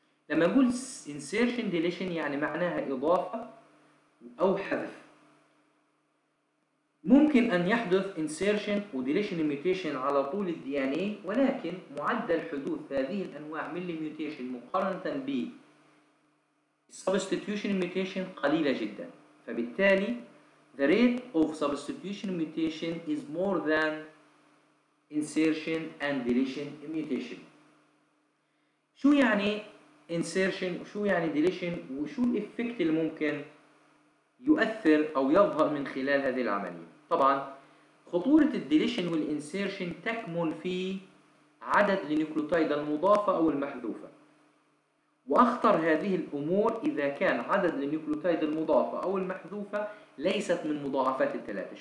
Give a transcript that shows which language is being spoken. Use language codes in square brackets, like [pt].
[ar] لما نقول insertion deletion يعني معناها إضافة أو حذف. ممكن أن يحدث insertion و deletion mutation على طول الـ DNA، ولكن معدل حدوث هذه الأنواع من الميوتيشن مقارنة بـ substitution mutation قليلة جدا. [en] فبالتالي the rate of substitution mutation is more than insertion and deletion mutation. [ar] شو يعني insertion وشو يعني deletion وشو الإفكت اللي ممكن يؤثر أو يظهر من خلال هذه العملية؟ طبعا خطورة الديليشن والإنسيرشن تكمن في عدد النيوكليوتايد المضافة أو المحذوفة، وأخطر هذه الأمور إذا كان عدد النيوكليوتايد المضافة أو المحذوفة ليست من مضاعفات الثلاثة.